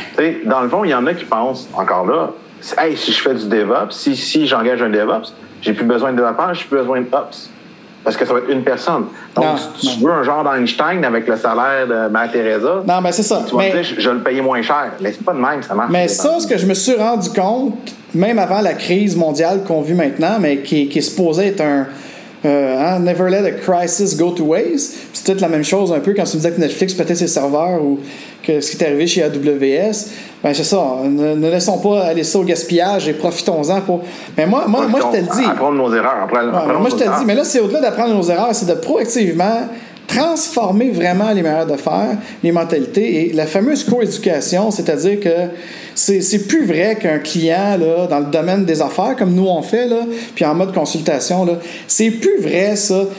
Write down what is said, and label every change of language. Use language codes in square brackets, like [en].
[fr] tu sais, dans le fond, il y en a qui pensent, encore là, hey, si je fais du DevOps, si j'engage un DevOps, j'ai plus besoin de développeur, j'ai plus besoin d'Ops, parce que ça va être une personne. Donc, non, si tu veux un genre d'Einstein avec le salaire de Mère Teresa, non, mais c'est ça. Tu vas me dire, je vais le payer moins cher. Mais c'est pas de même, ça marche. Mais ça, ce que je me suis rendu compte, même avant la crise mondiale qu'on vit maintenant, mais qui est supposée être un... [en] never let a crisis go to waste. [fr] Puis c'est peut-être la même chose un peu quand tu me disais que Netflix pétait ses serveurs ou que ce qui est arrivé chez AWS. Ben c'est ça, ne laissons pas aller ça au gaspillage et profitons-en pour... Mais moi je te le dis, apprendre nos erreurs après. Ouais, moi je te le dis, mais là c'est au-delà d'apprendre nos erreurs, c'est de proactivement transformer vraiment les manières de faire, les mentalités et la fameuse co-éducation, c'est-à-dire que c'est plus vrai qu'un client là, dans le domaine des affaires, comme nous on fait, là, puis en mode consultation, là, c'est plus vrai ça.